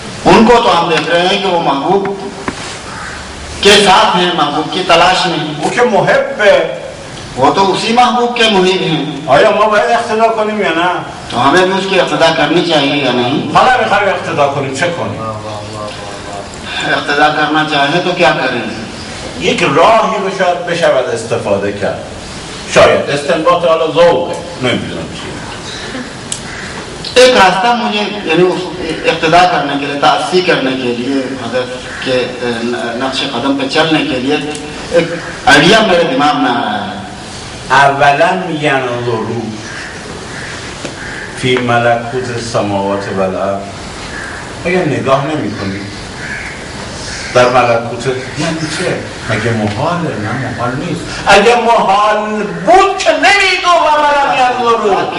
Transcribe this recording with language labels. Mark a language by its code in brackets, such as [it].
[ur] ان کو تو ہم دیکھ رہے ہیں کہ وہ محبوب کے ساتھ ہیں، محبوب کی تلاش میں. وہ کہ محب ہے، وہ تو اسی محبوب کے محب ہیں. [fa] آیا ما باید اقتدا کنیم یا نه؟ [ur] تو ہمیں بھی اس کی اقتدا کرنی چاہیے یا نہیں؟ [fa] حالا بخواہی اقتدا کنیم چه کنیم؟ [ur] اقتدا کرنا چاہیے تو کیا کریں؟ [fa] یک راهی رو شاید بشود استفاده کرد، شاید استنباط حالا ذوقه، نمیدونم چیه. [ur] ایک راستہ مجھے، یعنی اقتدا کرنے کے لیے، تأسی کرنے کے لیے، حضرت کے نقش قدم پہ چلنے کے لیے ایک آئیڈیا میرے دماغ میں آ رہا ہے. [ar] اولا ینظرو فی ملکوت السماوات والارض، [fa] آیا نگاه نمی کنید؟ در ملکوت نمیشه. مگه محاله؟ نه محال نیست. اگه محال بود که نمیدو و ملکی از ضرور